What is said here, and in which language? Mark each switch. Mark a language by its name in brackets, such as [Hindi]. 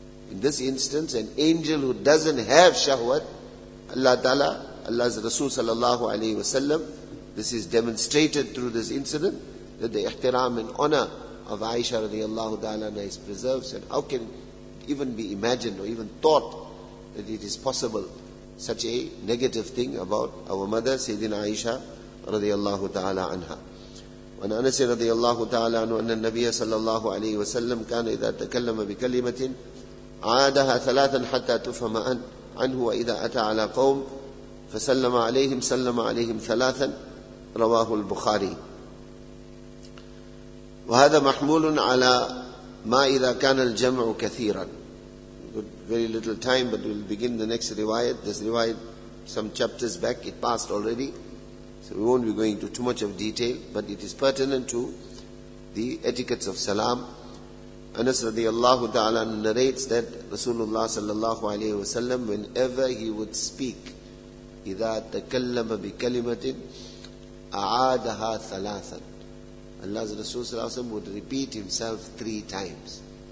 [English] In this instance, an angel who doesn't have shahwat, Allah ta'ala, Allah's Rasul sallallahu alayhi wa sallam, this is demonstrated through this incident, that the ihtiram and honor of Aisha radiallahu ta'ala is preserved. And how can it even be imagined or even thought that it is possible such a negative thing about our mother, Sayyidina Aisha radiallahu ta'ala anha. [Arabic] وعن أنس رضي الله تعالى عنه أن النبي صلى الله عليه وسلم كان إذا تكلم بكلمة عادها ثلاثا حتى تفهم عنه، وإذا أتى على قوم فسلم عليهم سلم عليهم ثلاثا. رواه البخاري. وهذا محمول على ما إذا كان الجمع كثيرا. [English] Very little time, but we'll begin the next riwayat. This riwayat some chapters back, it passed already. So we won't be going into too much of detail, but it is pertinent to the etiquettes of salam. Anas radiallahu ta'ala narrates that Rasulullah sallallahu alayhi wa sallam, whenever he would speak, [Arabic] إِذَا تَكَلَّمَ بِكَلِمَةٍ أَعَادَهَا ثَلَاثًا, [English] Allah's Rasul sallallahu alayhi wa sallam would repeat himself three times.